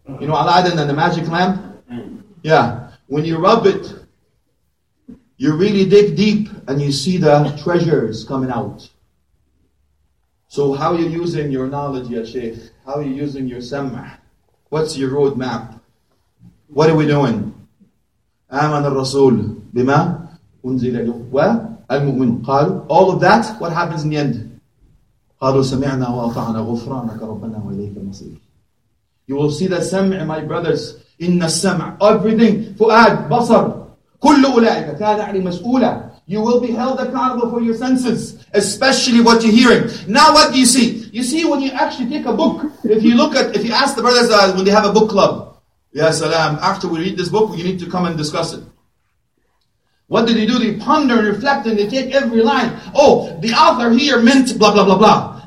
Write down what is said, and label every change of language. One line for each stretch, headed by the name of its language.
English: You know Aladdin and the magic lamp? Yeah. When you rub it, you really dig deep and you see the treasures coming out. So how are you using your knowledge, ya Shaykh? How are you using your sam'? What's your roadmap? What are we doing?
Arabic: آمن الرسول بما أنزل له والمؤمن قال.
English: All of that, what happens in the end?
Arabic: قالوا سمعنا وأطعنا غفرانك ربنا وإليك المصير.
English: You will see the سمع, my brothers.
Arabic: إن السمع, everything, فؤاد, بصر, كل أولئك كان عليه مسؤولا.
English: You will be held accountable for your senses, especially what you're hearing. Now what do you see? You see when you actually take a book, if you ask the brothers when they have a book club, Ya Salam, after we read this book, we need to come and discuss it. What did they do? They ponder and reflect and they take every line. Oh, the author here meant blah, blah, blah, blah.